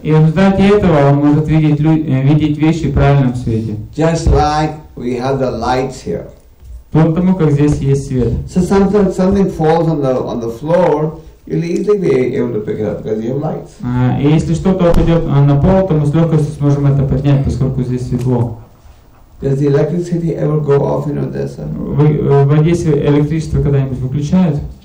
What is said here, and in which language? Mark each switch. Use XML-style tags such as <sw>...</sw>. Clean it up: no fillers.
<ru>И в результате этого он может видеть вещи в правильном свете.</ru> <en>Just like we have the lights here.</en> <ru>Вот тому, как здесь есть свет.</ru> <en>So sometimes something falls on the floor, you'll easily be able to pick it up because you have lights.</en> <ru>И если что-то упадет на пол, то мы с легкостью сможем это поднять, поскольку здесь светло.</ru> <en>Does the electricity ever go off in Odessa?</en> <ru>В Одессе электричество когда-нибудь выключают?</ru>